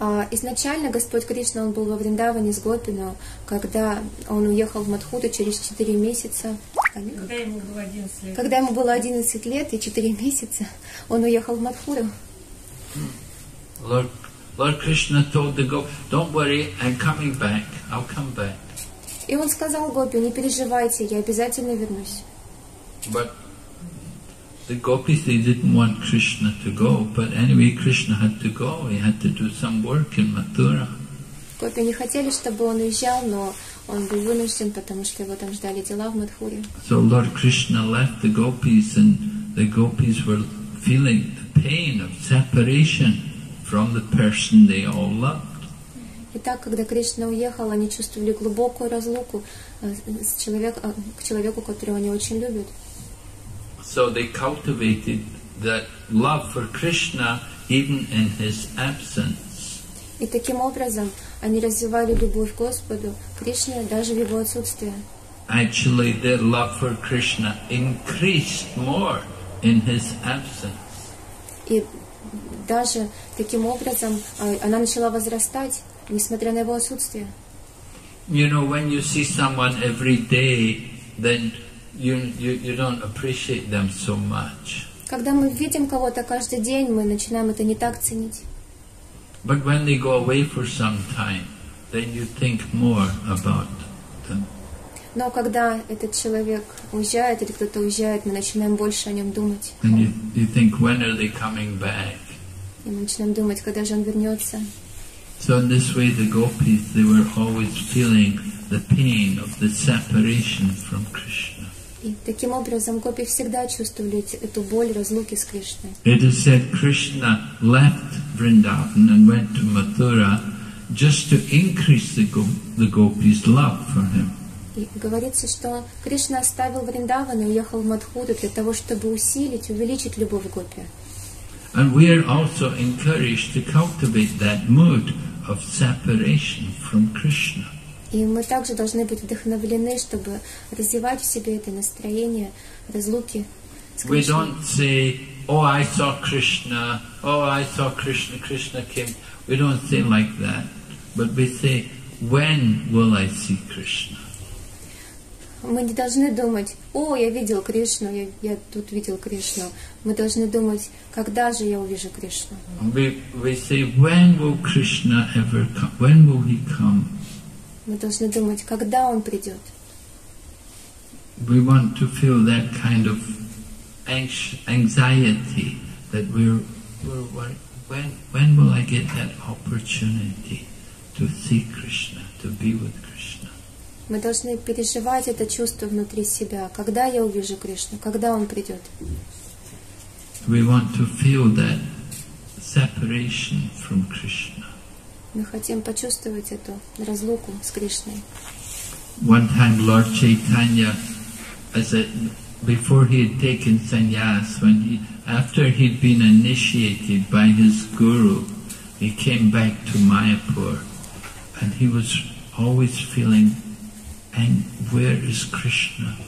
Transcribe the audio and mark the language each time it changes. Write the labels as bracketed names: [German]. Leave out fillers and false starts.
[Russian] Изначально Господь Кришна он был во Вриндаване с гопи, но когда он уехал в Матхуру через 4 месяца, когда ему было 11 лет и 4 месяца, он уехал в Матхуру. [English] Lord Krishna told the gopis, "Don't worry, I'm coming back. I'll come back." [Russian] И он сказал гопи, не переживайте, я обязательно вернусь. [English] But the gopis, they didn't want Krishna to go. But anyway, Krishna had to go. He had to do some work in Mathura. [Russian] Гопи не хотели, чтобы он уезжал, но он был вынужден, потому что его там ждали дела в Матхуре. [English] So Lord Krishna left the gopis, and the gopis were feeling the pain of separation from the person they all loved. [Russian] Итак, когда Кришна уехал, они чувствовали глубокую разлуку с человеком, к человеку, которого они очень любят. [English] So they cultivated that love for Krishna even in his absence. [Russian] И таким образом они развивали любовь к Господу Кришне даже в его отсутствии. [English] Actually, their love for Krishna increased more in his absence. [Russian] Даже таким образом она начала возрастать, несмотря на его отсутствие. [English] You know, when you see someone every day, then you don't appreciate them so much. [Russian] Когда мы видим кого-то каждый день, мы начинаем это не так ценить. [English] But when they go away for some time, then you think more about them. [Russian] Но когда этот человек уезжает или кто-то уезжает, мы начинаем больше о нем думать. [English] And you think, when are they coming back? [Russian] И мы начинаем думать, когда же он вернется. [English] So in this way the gopis, they were always feeling the pain of the separation from Krishna. [Russian] И таким образом гопи всегда чувствовали эту боль разлуки с Кришной. [English] It is said Krishna left Vrindavan and went to Mathura just to increase the gopis' love for him. [Russian] И говорится, что Кришна оставил Вриндаван и уехал в Матхуру для того, чтобы усилить, увеличить любовь гопи. [English] And we are also encouraged to cultivate that mood of separation from Krishna. [Russian] И мы также должны быть вдохновлены, чтобы развивать в себе это настроение разлуки с Кришной. [English] We don't say, "Oh, I saw Krishna. Oh, I saw Krishna. Krishna came." We don't say like that, but we say, "When will I see Krishna?" [Russian] Мы не должны думать, о, я видел Кришну, я тут видел Кришну. Мы должны думать, когда же я увижу Кришну. [English] We say, when will Krishna ever come? When will he come? [Russian] Мы должны думать, когда он придет. [English] We want to feel that kind of anxiety that we're worried. When will I get that opportunity to see Krishna, to be with Krishna? [Russian] Мы должны переживать это чувство внутри себя. Когда я увижу Кришну? Когда он придет? [English] We want to feel that separation from Krishna. [Russian] Мы хотим почувствовать эту разлуку с Кришной. [English] One time Lord Chaitanya, as a, before he had taken sannyas, when he, after he'd been initiated by his guru, he came back to Mayapur, and he was always feeling, and where is Krishna?